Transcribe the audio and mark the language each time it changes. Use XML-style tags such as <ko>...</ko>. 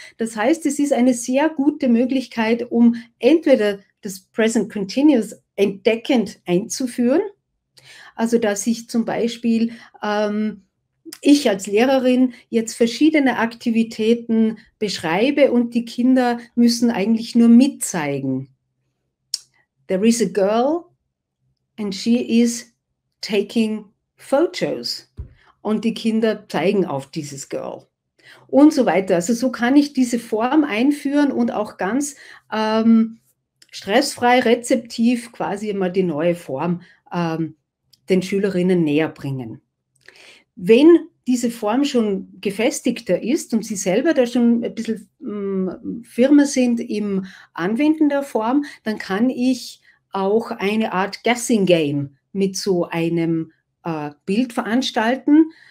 <de>Das heißt, es ist eine sehr gute Möglichkeit, um entweder das Present Continuous entdeckend einzuführen, also dass ich zum Beispiel, ich als Lehrerin jetzt verschiedene Aktivitäten beschreibe und die Kinder müssen eigentlich nur mitzeigen.</de> <en>There is a girl and she is taking photos.</en> <de>Und die Kinder zeigen auf dieses Girl und so weiter. Also so kann ich diese Form einführen und auch ganz stressfrei, rezeptiv quasi immer die neue Form den Schülerinnen näher bringen. Wenn diese Form schon gefestigter ist und sie selber da schon ein bisschen firmer sind im Anwenden der Form, dann kann ich auch eine Art Guessing Game mit so einem Bild veranstalten.</de>